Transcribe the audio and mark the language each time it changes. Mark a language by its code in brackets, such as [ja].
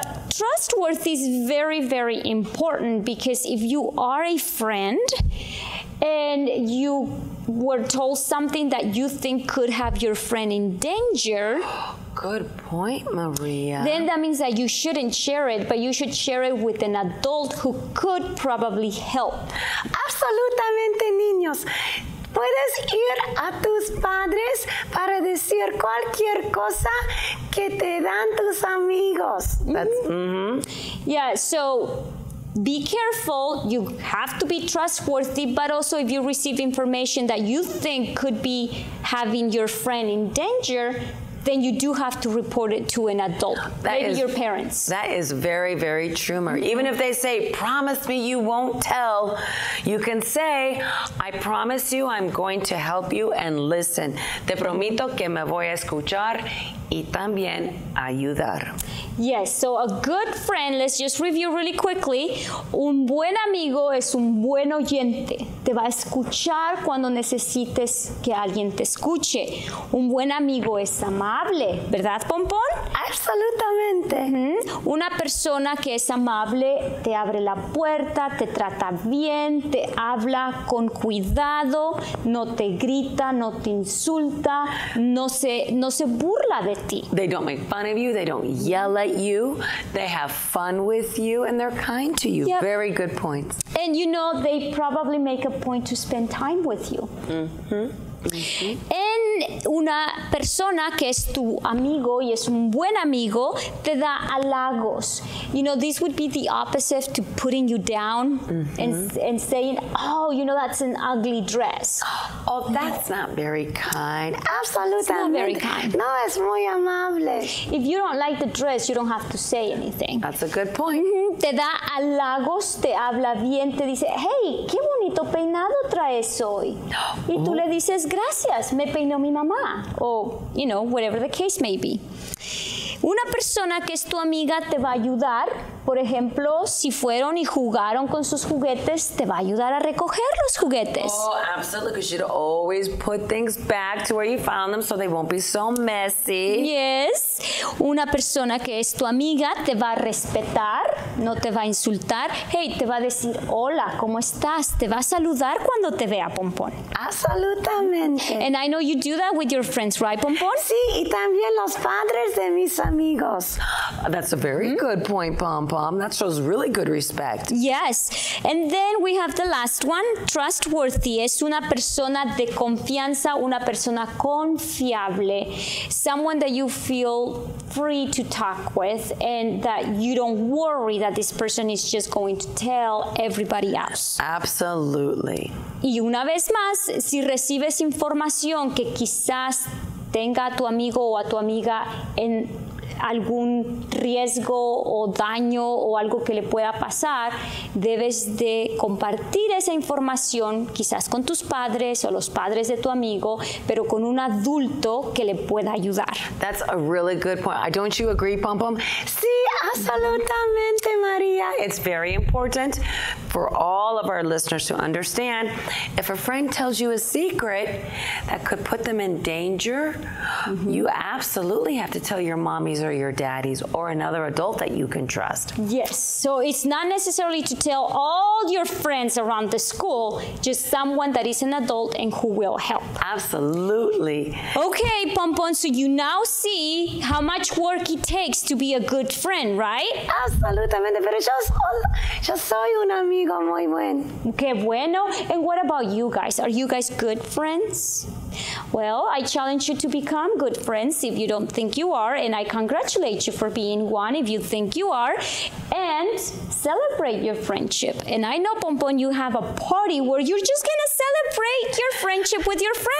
[en] Trustworthy is very, very important because if you are a friend and you were told something that you think could have your friend in danger. Good point, Maria. Then that means that you shouldn't share it, but you should share it with an adult who could probably help. [es] Absolutamente, niños. Puedes ir a tus padres para decir cualquier cosa que te dan tus amigos. [en] Yeah, so be careful. You have to be trustworthy, but also if you receive information that you think could be having your friend in danger, then you do have to report it to an adult, your parents. That is very, very true, Marie. Mm-hmm. Even if they say, promise me you won't tell, you can say, I promise you I'm going to help you and listen. [es] Te prometo que me voy a escuchar y también ayudar. [en] Yes, so a good friend, let's just review really quickly. [es] Un buen amigo es un buen oyente. Te va a escuchar cuando necesites que alguien te escuche. Un buen amigo es amable, ¿verdad, Pompón? Absolutamente. Una persona que es amable te abre la puerta, te trata bien, te habla con cuidado, no te grita, no te insulta, no se burla de ti. [en] They don't make fun of you, they don't yell at you, they have fun with you, and they're kind to you. Yep. Very good points. And you know, they probably make a point to spend time with you. [es] En una persona que es tu amigo y es un buen amigo, te da halagos. [en] You know, this would be the opposite to putting you down and saying, oh, you know, that's an ugly dress. Oh, that's not very kind. Absolutely. It's not very kind. [es] No, es muy amable. [en] If you don't like the dress, you don't have to say anything. That's a good point. [es] Te da halagos, te habla bien, te dice, hey, qué bonito peinado traes hoy. Y tú le dices, gracias, me peinó mi mamá. [en] Or, you know, whatever the case may be. [es] Una persona que es tu amiga te va a ayudar. Por ejemplo, si fueron y jugaron con sus juguetes, te va a ayudar a recoger los juguetes. [en] Oh, absolutely, because you'd always put things back to where you found them so they won't be so messy. [es] Yes. Una persona que es tu amiga te va a respetar, no te va a insultar. Hey, te va a decir, hola, ¿cómo estás? Te va a saludar cuando te vea, Pompón. Absolutamente. [en] And I know you do that with your friends, right, Pompón? [es] Sí, y también los padres de mis amigos. [en] That's a very good point, Pompón. That shows really good respect. Yes. And then we have the last one. Trustworthy [es] es una persona de confianza, una persona confiable. [en] Someone that you feel free to talk with and that you don't worry that this person is just going to tell everybody else. Absolutely. [es] Y una vez más, si recibes información que quizás tenga a tu amigo o a tu amiga en algún riesgo o daño o algo que le pueda pasar, debes de compartir esa información quizás con tus padres o los padres de tu amigo, pero con un adulto que le pueda ayudar. [en] That's a really good point. Don't you agree, Pom Pom? [es] Sí, absolutamente, María. [en] It's very important for all of our listeners to understand if a friend tells you a secret that could put them in danger, you absolutely have to tell your mommies or your daddies or another adult that you can trust. Yes, so it's not necessarily to tell all your friends around the school, just someone that is an adult and who will help. Absolutely. Okay, Pompón, so you now see how much work it takes to be a good friend, right? [es] Absolutamente, pero yo soy un amigo muy bueno. Qué bueno. [en] And what about you guys? Are you guys good friends? Well, I challenge you to become good friends if you don't think you are, and I congratulate you for being one if you think you are, and celebrate your friendship. And I know, Pompón, you have a party where you're just going to celebrate your friendship with your friends.